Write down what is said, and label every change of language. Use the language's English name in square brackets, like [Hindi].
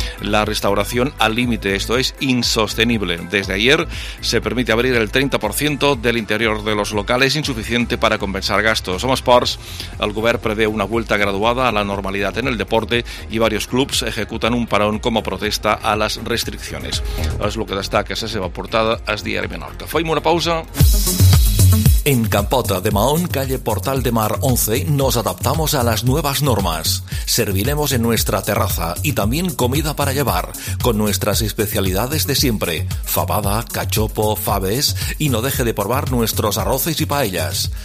[Spanish] La restauración al límite, esto es insostenible. Desde ayer se permite abrir el 30% del interior de los locales suficiente para compensar gastos. [Catalan] Som esports. El govern prevé [Spanish] una vuelta graduada a la normalidad en el deporte y varios clubs ejecutan un parón como protesta a las restricciones. [Catalan] És el que destaca la seva portada al diari Menorca. Fem una pausa. [Spanish] En Campota de Mahón, calle Portal de Mar 11, nos adaptamos a las nuevas normas. Serviremos en nuestra terraza y también comida para llevar, con nuestras especialidades de siempre, fabada, cachopo, faves, y no deje de probar nuestros arroces y paellas.